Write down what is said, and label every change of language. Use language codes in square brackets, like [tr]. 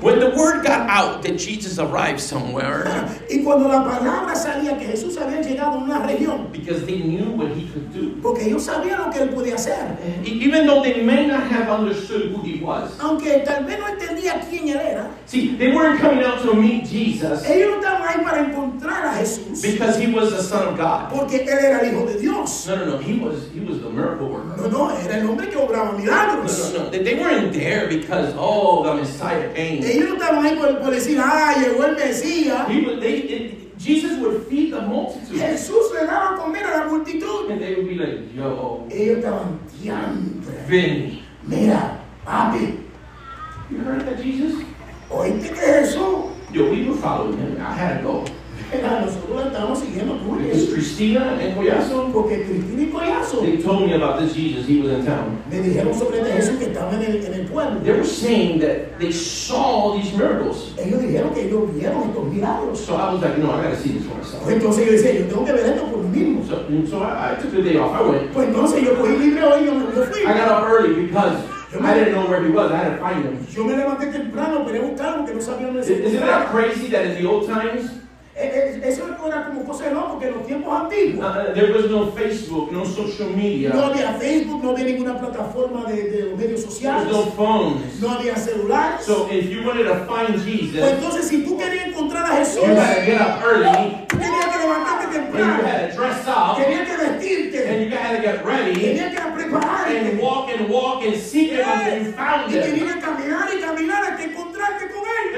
[en] When the word got out that Jesus arrived somewhere, [es] y cuando la palabra salía que Jesús había llegado a una región, [en] because they knew what he could do. [es] Porque ellos sabían lo que él podía hacer. [en] Even though they may not have understood who he was. [es] Aunque tal vez no entendía quién él era. [en] See, they weren't coming out to meet Jesus. [es] Ellos no estaban ahí para encontrar a Jesús. [en] Because he was the Son of God. [es] Porque él era el Hijo de Dios. [en] No, he was the miracle worker. [es] No, era el hombre que obraba milagros. [en] No. They weren't there because, oh, the Messiah came. [es] Ellos no estaban ahí por decir, ay, llegó el Mesías. [en] Jesus would feed the multitude. [es] Jesús le daba comer a la multitud. [en] And they would be like, yo. [es] Ellos estaban diantre. [en] Vinny. [es] Mira, papi. [en] You heard that, Jesus? [es] ¿Oíste que Jesús? [en] Yo, we were following him. I had to go. Because Cristina and Collazo, [es] porque Cristina y Collazo, [en] they told me about this Jesus. He was in town. [es] Me dijeron sobre este Jesús que estaba en el pueblo. [en] They were saying that they saw all these miracles. [es] Ellos dijeron que ellos vieron estos milagros. [en] So I was like, no, I gotta see this for myself. [es] Entonces yo decía, yo tengo que ver esto por mí mismo. [en] So I took the day off. I went. [es] Pues entonces yo cogí libre hoy y yo fui. [en] I got up early because. I didn't know where he was. I had to find him. [es] Yo me levanté temprano para buscarlo porque no sabía dónde estaba. [en] Isn't that crazy that in the old times? [es] Eso era como cosa de loco que en los tiempos antiguos. [en] There was no Facebook, no social media. [es] No había Facebook, no había ninguna plataforma de los medios sociales. [en] There was no phones. [es] No había celulares. [en] So if you wanted to find Jesus, [es] pues entonces si tú querías encontrar a Jesús, [en] you had to get up early. [es] Tú tenías que levantarte temprano. [en] And you had to dress up. [es] Tenías que vestirte. [en] And you had to get ready. [es] Tenías que prepararte. [en] And walk and walk and seek him until you found him. [es] Y tenías que caminar y caminar hasta encontrarte con él.